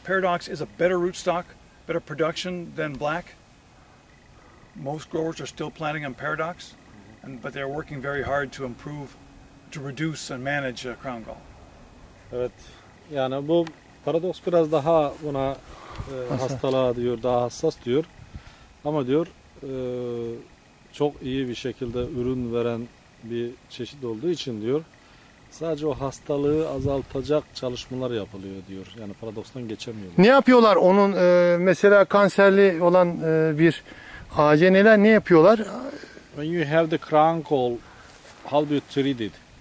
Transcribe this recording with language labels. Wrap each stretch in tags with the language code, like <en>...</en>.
<en>Paradox is a better rootstock, better production than black. Most growers are still planting on paradox, but they're working very hard to improve, to reduce and manage crown gall.</en> <tr>Evet, yani bu paradox biraz daha buna hastalığa diyor, daha hassas diyor. Ama diyor çok iyi bir şekilde ürün veren bir çeşit olduğu için diyor. Sadece o hastalığı azaltacak çalışmalar yapılıyor diyor. Yani paradokstan geçemiyorlar. Ne yapıyorlar onun mesela kanserli olan bir ağaca neler ne yapıyorlar?</tr> <en>When you have the crown call, how do you treat it?</en>